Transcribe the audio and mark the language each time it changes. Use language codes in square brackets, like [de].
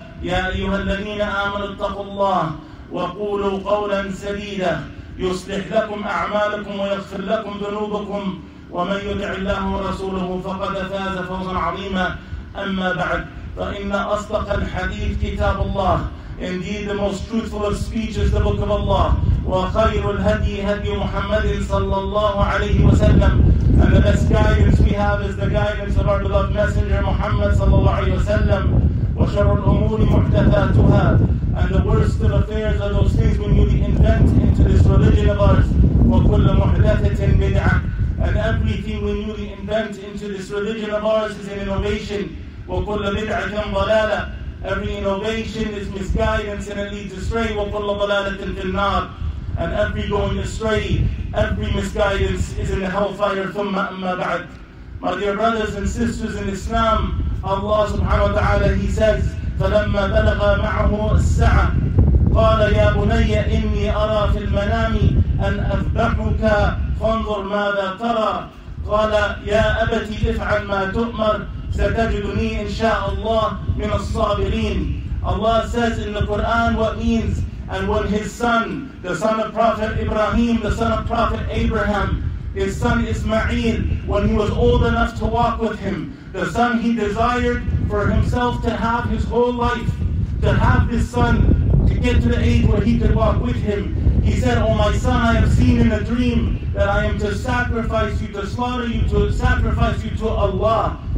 [ar] يا أيها الذين آمنوا اتقوا الله وقولوا قولا سديدا يصلح لكم أعمالكم ويغفر لكم ذنوبكم، ومن يطع الله ورسوله فقد فاز فوزا عظيما. أما بعد، فإن أصدق الحديث كتاب الله. [en] Indeed, the most truthful speech is the book of Allah. [ar] وخير الهدي هدي محمد صلى الله عليه وسلم. [en] And the best guidance we have is the guidance of our beloved messenger Muhammad صلى الله عليه وسلم. [ar] وشر الأمور محدثاتها. [en] And the worst of affairs are those things when we invent into this religion of ours. [ar] وكل محدثة بدعة. [en] And everything when we invent into this religion of ours is an innovation. [ar] وكل بدعة ضلالة. [en] Every innovation is misguidance and it leads astray. [ar] وكل ضلالة في النار. [en] And every going astray, every misguidance is in the hellfire. [ar] ثم أما بعد. [en] My dear brothers and sisters in Islam, Allah subhanahu wa ta'ala, he says, [ar] فَلَمَّا بَلَغَ مَعَهُ السَّعَى قَالَ يَا بُنَيَّ إِنِّي أَرَى فِي الْمَنَامِ أَنْ أَذْبَحُكَ فَانْظُرْ مَاذَا تَرَى قَالَ يَا أَبَتِ افْعَلْ مَا تُؤْمَرْ سَتَجِدُنِي إِنْ شَاءَ اللَّهِ مِنَ الصَّابِرِينَ. [en] Allah says in the Quran what means. And when his son, the son of Prophet Ibrahim, the son of Prophet Abraham, his son Ismail, when he was old enough to walk with him, the son he desired for himself to have his whole life, to have this son, to get to the age where he could walk with him, he said, "Oh my son, I have seen in a dream that I am to sacrifice you, to slaughter you, to sacrifice you to Allah.